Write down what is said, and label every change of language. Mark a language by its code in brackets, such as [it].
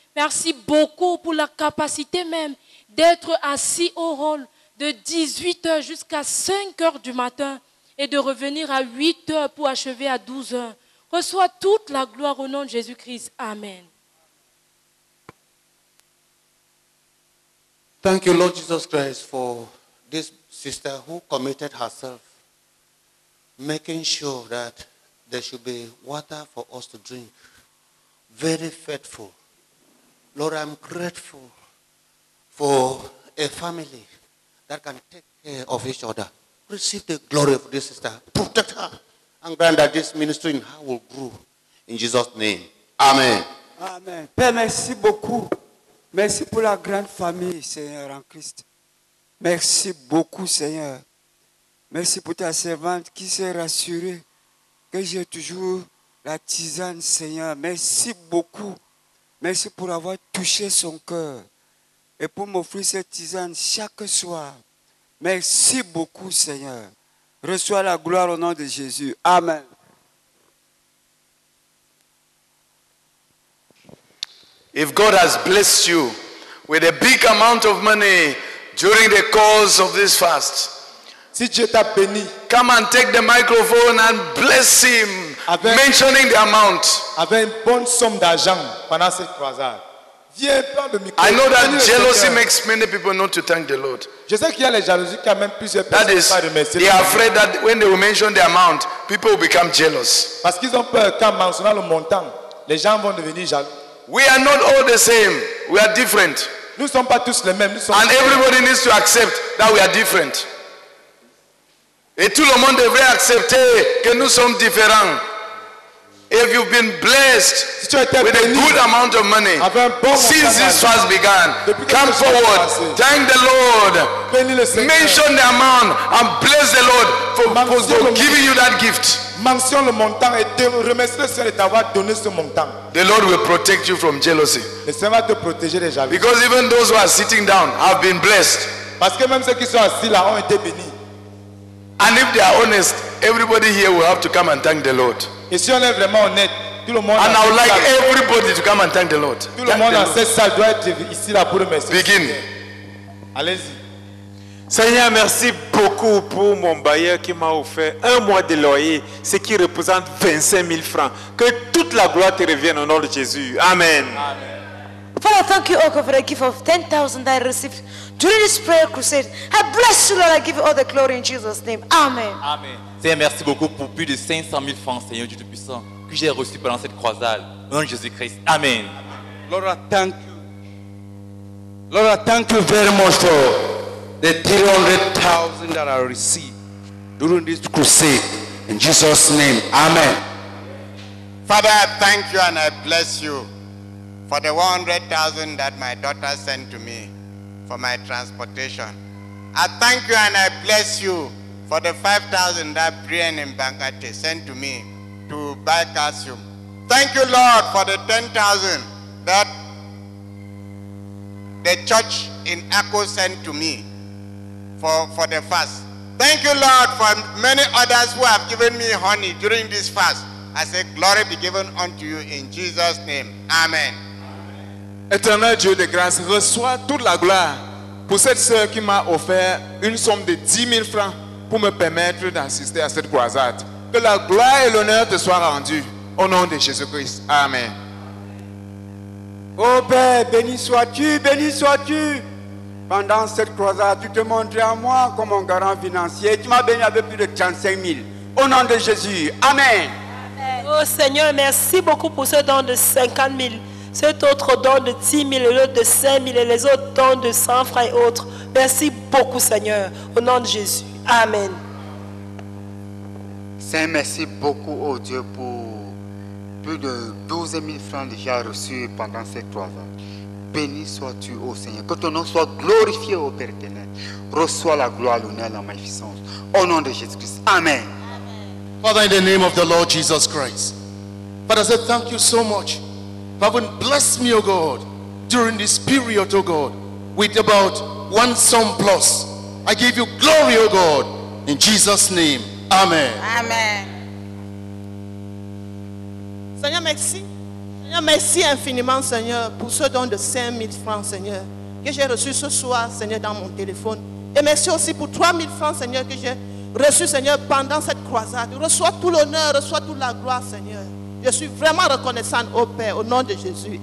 [fr] Merci beaucoup pour la capacité même d'être assis au hall de 18h jusqu'à 5h du matin et de revenir à 8h pour achever à 12h. Reçois toute la gloire au nom de Jésus-Christ. Amen. [en] Thank you, Lord Jesus Christ, for this sister who committed herself, making sure that there should be water for us to drink. Very faithful. Lord, I'm grateful for a family that can take care of each other. Receive the glory of this sister. Protect her. And grant that this ministry in her will grow. In Jesus' name. Amen. [fr] Amen. Père, merci beaucoup. Merci pour la grande famille, Seigneur, en Christ. Merci beaucoup, Seigneur. Merci pour ta servante qui s'est rassurée que j'ai toujours la tisane, Seigneur. Merci beaucoup. Merci pour avoir touché son cœur et pour m'offrir cette tisane chaque soir. Merci beaucoup, Seigneur. Reçois la gloire au nom de Jésus. Amen. [en] If God has blessed you with a big amount of money, during the course of this fast. [fr] Si Dieu t'a béni, [en] come and take the microphone and bless him, [fr] avec, [en] mentioning the amount. [fr] Avec une bonne somme d'argent pendant cette croisade. Viens prendre le micro. [en] I know that jealousy makes many people not to thank the Lord. [fr] Je sais qu'il y a les jalousies qui amènent plusieurs personnes à remercier. [en] They are afraid that when they will mention the amount, people will become jealous. [fr] Parce qu'ils ont peur qu'en mentionnant le montant, les gens vont devenir jaloux. [en] We are not all the same. We are different. [fr] Nous sommes pas tous les mêmes. Nous sommes [en] and everybody needs to accept that we are different. [fr] Et tout le monde devrait accepter que nous sommes différents. [en] If you've been blessed [fr] si [en] with a good amount of money [fr] bon [en] since this fast began, come forward, thank the Lord, [fr] le [en] mention the amount and bless the Lord for giving you that gift. [fr] Mention le montant et te remercie le Seigneur d'avoir donné ce montant. [en] The Lord will protect you from jealousy. [fr] Le Seigneur va te protéger des jalousies. [en] Because even those who are sitting down have been blessed. [fr] Parce que même ceux qui sont assis là ont été bénis. [en] And if they are honest, everybody here will have to come and thank the Lord. [fr] Et si on est vraiment honnête, tout le monde. [en] And I would like everybody to come and thank the Lord. [fr] Tout le monde dans cette salle doit être ici là pour remercier. [en] Begin. [fr] Allez-y. Seigneur, merci beaucoup pour mon bailleur qui m'a offert un mois de loyer, ce qui représente 25 000 francs. Que toute la gloire te revienne au nom de Jésus. Amen. Amen. [en] Father, thank you all for the gift of 10,000 that I received during this prayer crusade. I bless you, Lord. I give you all the glory in Jesus' name. Amen. Amen. [fr] Seigneur, merci beaucoup pour plus de 500 000 francs, Seigneur Dieu Tout-Puissant, que j'ai reçu pendant cette croisade. Au nom de Jésus-Christ. Amen. Amen. [en] Lord, I thank you. Lord, I thank you very much for the 300,000 that I received during this crusade. In Jesus' name. Amen. Father, I thank you and I bless you for the 100,000 that my daughter sent to me for my transportation. I thank you and I bless you for the 5,000 that Brian in Bangate sent to me to buy calcium. Thank you, Lord, for the 10,000 that the church in Akko sent to me for the fast. Thank you, Lord, for many others who have given me honey during this fast. I say, glory be given unto you in Jesus' name. Amen. [fr] Éternel Dieu de grâce, reçois toute la gloire pour cette sœur qui m'a offert une somme de 10 000 francs pour me permettre d'assister à cette croisade. Que la gloire et l'honneur te soient rendus au nom de Jésus-Christ. Amen. Ô Père, béni sois-tu, béni sois-tu. Pendant cette croisade, tu te montrais à moi comme un garant financier. Tu m'as béni avec plus de 35 000. Au nom de Jésus. Amen. Amen. Ô Seigneur, merci beaucoup pour ce don de 50 000. Cet autre don de 10 000 et l'autre de 5 000 et les autres dons de 100 francs et autres. Merci beaucoup, Seigneur. Au nom de Jésus. Amen. Saint, merci beaucoup, oh Dieu, pour plus de 12 000 francs déjà reçus pendant ces 3 ans. Béni sois-tu, oh Seigneur. Que ton nom soit glorifié, oh Père éternel. Reçois la gloire, l'honneur, la magnificence. Au nom de Jésus-Christ. Amen. Amen. [en] Father, in the name of the Lord Jesus Christ. Father, I say thank you so much. Father, bless me, oh God, during this period, oh God, with about one sum plus. I give you glory, oh God, in Jesus' name. Amen. Amen. [fr] Seigneur, merci infiniment, Seigneur, pour ce don de 5 000 francs, Seigneur, que j'ai reçu ce soir, Seigneur, dans mon téléphone. Et merci aussi pour 3 000 francs, Seigneur, que j'ai reçu, Seigneur, pendant cette croisade. Reçois tout l'honneur, reçois toute la gloire, Seigneur. Je suis vraiment reconnaissante au Père, au nom de Jésus.